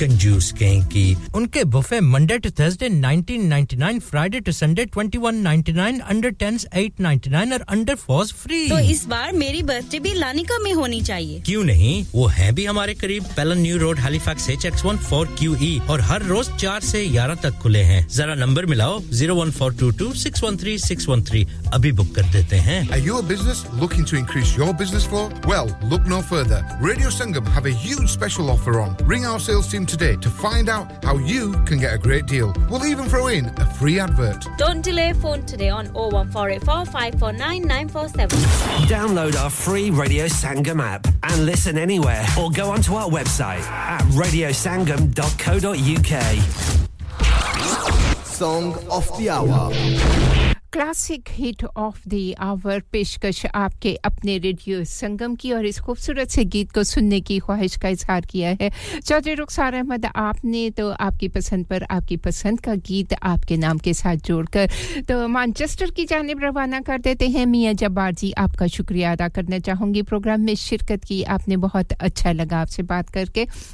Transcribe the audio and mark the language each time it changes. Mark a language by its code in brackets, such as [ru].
[hi] कंजूस कहेंगी उनके buffet [en] Monday to Thursday [hi] 19.99 [en] Friday to Sunday [hi] 21.99 under 10s 8.99 और अंडर 4s फ्री तो इस बार मेरी बर्थडे भी लानिका में होनी चाहिए क्यों नहीं वो है भी हमारे करीब पेलन न्यू रोड HX14QE और हर रोज 4 से 11 तक खुले हैं जरा नंबर मिलाओ 01422613613 अभी बुक कर देते हैं [en] Are you a business looking to increase your business flow? Well, look no further. Radio Sangam have a huge special offer on. Ring our sales team today to find out how you can get a great deal. We'll even throw in a free advert. Don't delay phone today on 01484549947. Download our free Radio Sangam app and listen anywhere or go onto our website at radiosangam.co.uk Song of the Hour classic hit of the hour [hi] पेशकश आपके अपने radio संगम की और इस खूबसूरत से गीत को सुनने की ख्वाहिश का इजहार किया है चौधरी रुखसार अहमद आपने तो आपकी पसंद पर आपकी पसंद का गीत आपके नाम के साथ जोड़कर तो मैनचेस्टर की जानिब रवाना कर देते हैं मियां जब्बार जी आपका शुक्रिया अदा करना चाहूंगी प्रोग्राम में शिरकत की आपने बहुत अच्छा लगा आपसे बात करके